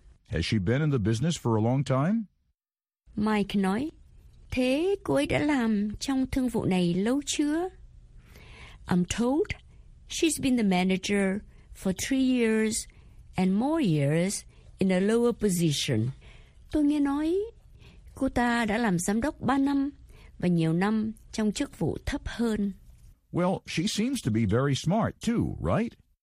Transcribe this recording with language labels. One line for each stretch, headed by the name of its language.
English: Has she been in the business for a long time?
Vietnamese: Mike nói, thế cô ấy đã làm trong thương vụ này lâu chưa?
English: I'm told she's been the manager for 3 years and more years in a lower position.
Vietnamese: Tôi nghe nói cô ta đã làm giám đốc 3 năm và nhiều năm trong chức vụ thấp hơn.
English: Well, she seems to be very smart too, right?